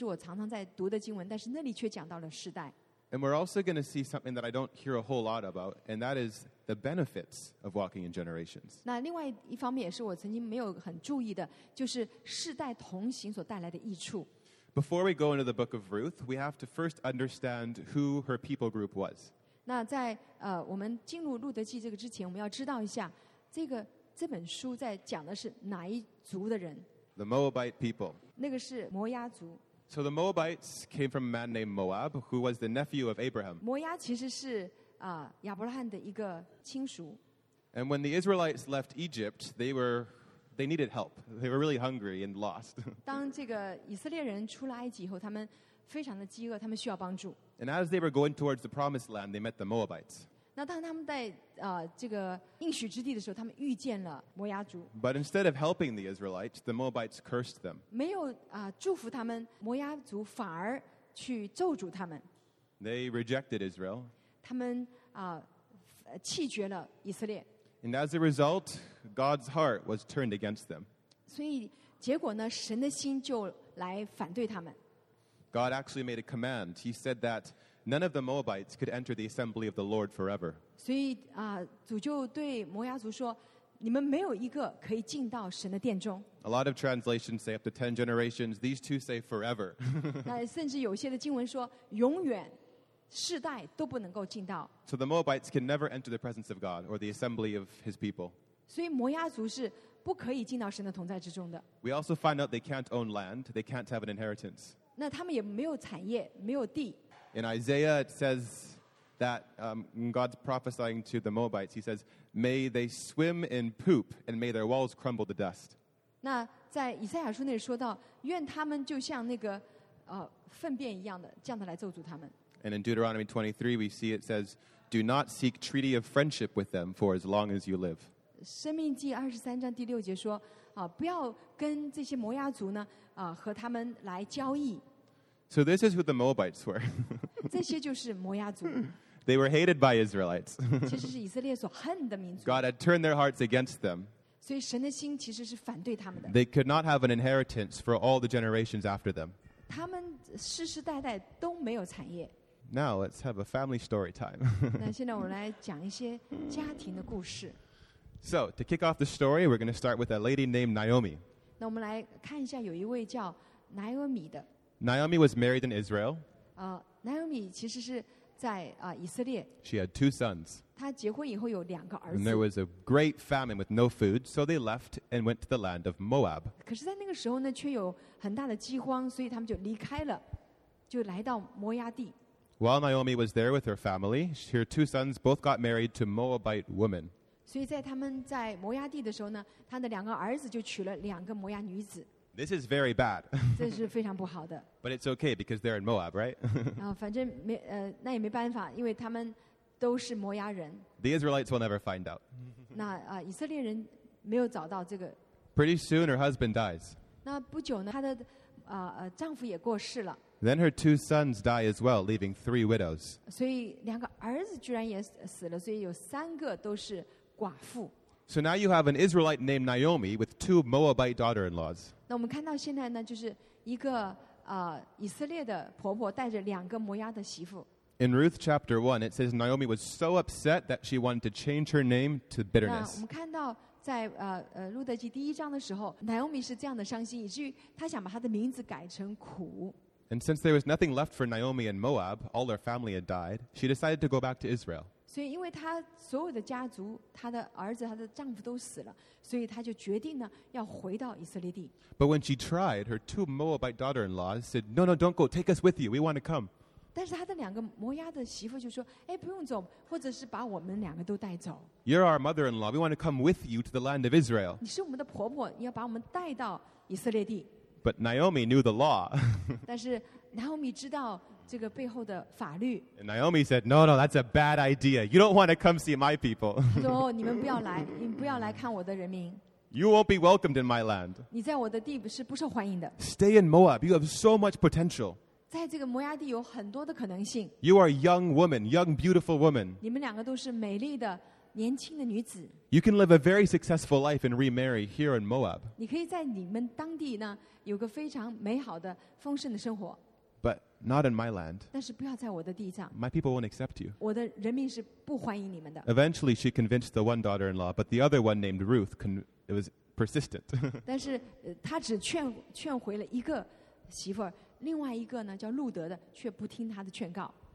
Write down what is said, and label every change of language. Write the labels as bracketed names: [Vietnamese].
[Chinese] 那我今天要跟大家分享的就是在路德记，那个路德记并不是我常常在读的经文，但是那里却讲到了世代。 [English] And we're also going to see something that I don't hear a whole lot about, and that is the benefits of walking in generations. [Chinese] 那另外一方面也是我曾经没有很注意的，就是世代同行所带来的益处。 [English] Before we go into the book of Ruth, we have to first understand who her people group was. [Chinese] 那在我们进入路德记这个之前，我们要知道一下这个这本书在讲的是哪一族的人。 [English] The Moabite people. [Chinese] 那个是摩押族。 [English] So the Moabites came from a man named Moab, who was the nephew of Abraham. [Chinese] 摩押其实是亚伯拉罕的一个亲属。 [English] And when the Israelites left Egypt, they needed help. They were really hungry and lost. [Chinese] 当这个以色列人出了埃及以后，他们非常的饥饿，他们需要帮助。 [English] And as they were going towards the promised land, they met the Moabites. [Chinese] 那当他们在这个应许之地的时候，他们遇见了摩押族。 [English] But instead of helping the Israelites, the Moabites cursed them. [Chinese] 没有祝福他们，摩押族反而去咒诅他们。 [English] They rejected Israel. [Chinese] 他们弃绝了以色列。 [English] And as a result, God's heart was turned against them. [Chinese] 所以结果呢，神的心就来反对他们。 [English] God actually made a command. He said that none of the Moabites could enter the assembly of the Lord forever. [Chinese] 所以主就对摩押族说，你们没有一个可以进到神的殿中。 [English] A lot of translations say up to 10 generations. These two say forever. [Chinese] 那甚至有些的经文说，永远世代都不能够进到。 [English] So the Moabites can never enter the presence of God or the assembly of His people. [Chinese] 所以摩押族是不可以进到神的同在之中的。 [English] We also find out they can't own land. They can't have an inheritance. [Chinese] 那他们也没有产业，没有地。 [English] In Isaiah, it says that God's prophesying to the Moabites. He says, "May they swim in poop, and may their walls crumble to dust." [Chinese] 那在以赛亚书那里说到，愿他们就像那个粪便一样的，这样的来咒诅他们。 [English] And in Deuteronomy 23, we see it says, "Do not seek treaty of friendship with them for as long as you live." [Chinese] 生命记二十三章第六节说，不要跟这些摩押族呢。和他们来交易。 [English] So this is who the Moabites were. [Chinese] 这些就是摩押族。 [English] They were hated by Israelites. [Chinese] 其实是以色列所恨的民族。 [English] God had turned their hearts against them. [Chinese] 所以神的心其实是反对他们的。 [English] They could not have an inheritance for all the generations after them. [Chinese] 他们世世代代都没有产业。 [English] Now let's have a family story time. [Chinese] 那现在我们来讲一些家庭的故事。 [English] So to kick off the story, we're going to start with a lady named Naomi. [Chinese] 那我们来看一下，有一位叫 Naomi 的。 [English] Naomi was married in Israel. [Chinese] Naomi 其实是在以色列。 [English] She had two sons. [Chinese] 她结婚以后有两个儿子。 [English] And there was a great famine with no food, so they left and went to the land of Moab. [Chinese] 可是，在那个时候呢，却有很大的饥荒，所以他们就离开了，就来到摩押地。 [English] While Naomi was there with her family, her two sons both got married to Moabite women. [Chinese] 所以在他们在摩押地的时候呢，他的两个儿子就娶了两个摩押女子。 [English] This is very bad. [Chinese] 这是非常不好的。 [English] But it's okay because they're in Moab, right? [Chinese] 然后反正没那也没办法，因为他们都是摩押人。 [English] The Israelites will never find out. [Chinese] 那以色列人没有找到这个。 [English] Pretty soon her husband dies. [Chinese] 那不久呢，她的丈夫也过世了。 [English] Then her two sons die as well, leaving three widows. [Chinese] 所以两个儿子居然也死了，所以有三个都是。 [English] So now you have an Israelite named Naomi with two Moabite daughter-in-laws. [Chinese] 那我们看到现在呢，就是一个以色列的婆婆带着两个摩押的媳妇。 [English] In Ruth chapter 1, it says Naomi was so upset that she wanted to change her name to bitterness. [Chinese] 那我们看到在路德记第一章的时候 ，Naomi 是这样的伤心，以至于她想把她的名字改成苦。 [English] And since there was nothing left for Naomi in Moab, all her family had died. She decided to go back to Israel. [Chinese] 所以因为她所有的家族她的儿子她的丈夫都死了所以她就决定呢要回到以色列地。 [English] But when she tried, her two Moabite daughter-in-laws said, No, no, don't go, take us with you, we want to come. [Chinese] 但是她的两个摩押的媳妇就说哎，不用走或者是把我们两个都带走。 [English] You're our mother-in-law, we want to come with you to the land of Israel. [Chinese] 你是我们的婆婆你要把我们带到以色列地。 [English] But Naomi knew the law. [Chinese] 但是 Naomi 知道这个背后的法律。 [English] And Naomi said, "No, no, that's a bad idea. You don't want to come see my people." [Chinese] 她说：“你们不要来，你不要来看我的人民。” [English] You won't be welcomed in my land. [Chinese] 你在我的地是不受欢迎的。 [English] Stay in Moab. You have so much potential. [Chinese] 在这个摩押地有很多的可能性。 [English] You are a young woman, young beautiful woman. [Chinese] 你们两个都是美丽的年轻的女子。 [English] You can live a very successful life and remarry here in Moab. [Chinese] 你可以在你们当地呢有个非常美好的丰盛的生活。 [English] But not in my land. [Chinese] 但是不要在我的地上。 [English] My people won't accept you. [Chinese] 我的人民是不欢迎你们的。 [English] Eventually, she convinced the one daughter-in-law, but the other one named Ruth, it was persistent. [Chinese] 但是她只劝回了一个媳妇儿，另外一个呢叫路德的却不听他的劝告。